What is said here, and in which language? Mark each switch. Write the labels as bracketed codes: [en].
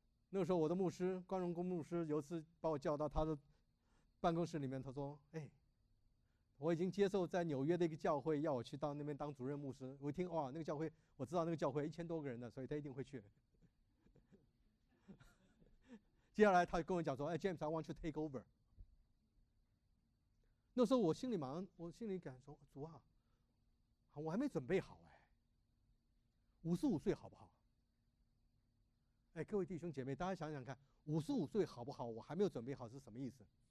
[zh] 那个时候我的牧师关荣公牧师有一次把我叫到他的办公室里面，他说，哎，我已经接受在纽约的一个教会要我去到那边当主任牧师。我一听，哇，那个教会，我知道那个教会1000多个人的，所以他一定会去。接下来他跟我讲说，哎 ，James， [en] I want to take over。 [zh] 那时候我心里忙，我心里感受，主啊，我还没准备好哎，55岁好不好？哎，各位弟兄姐妹，大家想想看，55岁好不好？我还没有准备好是什么意思？